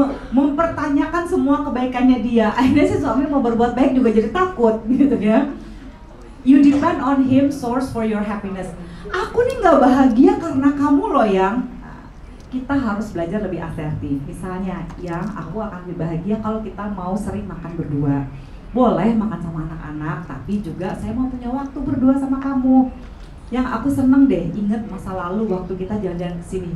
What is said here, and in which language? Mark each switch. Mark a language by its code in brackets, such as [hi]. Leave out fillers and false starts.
[id] Mempertanyakan semua kebaikannya dia. Akhirnya si suami mau berbuat baik juga jadi takut, gitu ya. [en] You depend on him source for your happiness. [id] Aku nih gak bahagia karena kamu loh, Yang. Kita harus belajar lebih asertif. Misalnya, Yang, aku akan lebih bahagia kalau kita mau sering makan berdua. Boleh makan sama anak-anak, tapi juga saya mau punya waktu berdua sama kamu. Yang aku seneng deh, inget masa lalu waktu kita jalan-jalan kesini.